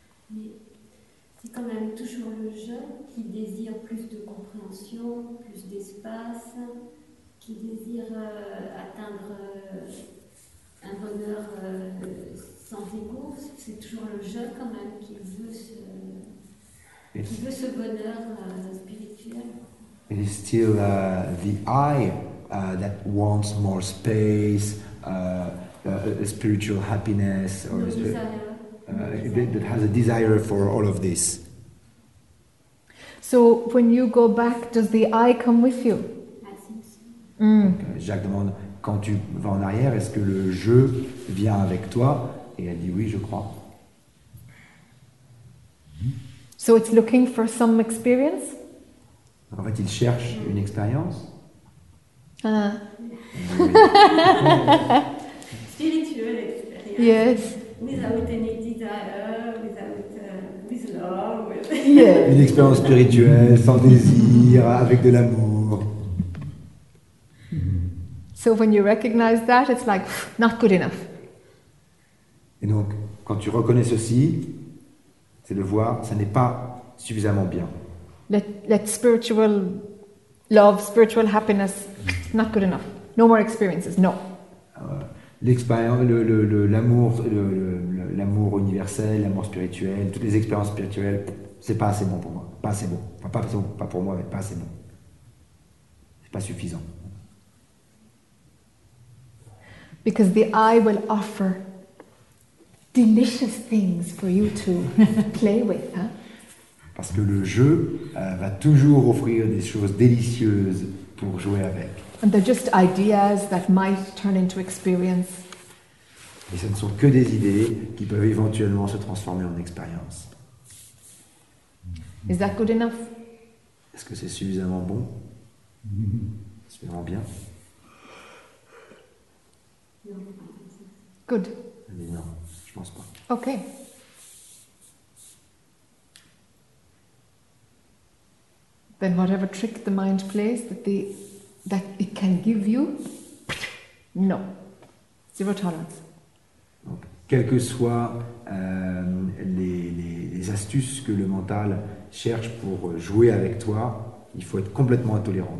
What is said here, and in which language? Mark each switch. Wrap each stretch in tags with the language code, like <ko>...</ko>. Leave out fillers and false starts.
<fr>Mais c'est quand même toujours le je qui désire plus de compréhension, plus d'espace, qui désire atteindre un bonheur sans égo. C'est toujours le je quand même qui veut ce bonheur spirituel.</fr> <en>It is still the I that wants more space, spiritual happiness, or that has a desire for all of this. So when you go back, does the I come with you? I think so.</en> <fr>Jacques demande, quand tu vas en arrière, est-ce que le je vient avec toi? Et elle dit, oui, je crois.</fr> <en>So it's looking for some experience?</en> <fr>En fait, il cherche une expérience. Spirituelle expérience.</fr> <en>Yes. Without any desire, without with love. Yes.</en> <fr>Une expérience spirituelle, sans désir, avec de l'amour.</fr> <en>So when you recognize that, it's like not good enough.</en> <fr>Et donc, quand tu reconnais ceci, c'est de voir, ça n'est pas suffisamment bien.</fr> <en>Let spiritual love, spiritual happiness, not good enough. No more experiences. No.</en> <fr>L'expérience, l'amour universel, l'amour spirituel, toutes les expériences spirituelles, c'est pas assez bon pour moi. Pas assez bon. Enfin, pas assez bon, pas pour moi, mais pas assez bon. C'est pas suffisant.</fr> <en>Because the I will offer delicious things for you to play with, huh?</en> <fr>Parce que le jeu va toujours offrir des choses délicieuses pour jouer avec.</fr> <en>And they're just ideas that might turn into experience.</en> <fr>Et ce ne sont que des idées qui peuvent éventuellement se transformer en expérience.</fr> <en>Is that good enough?</en> <fr>Est-ce que c'est suffisamment bon? Suffisamment bien?</fr> <en>Good.</en> <fr>Mais non, je pense pas.</fr> <en>Okay. Then whatever trick the mind plays that it can give you, no, zero tolerance.</en> <fr>Donc, quelles que soient les astuces que le mental cherche pour jouer avec toi, il faut être complètement intolérant.</fr>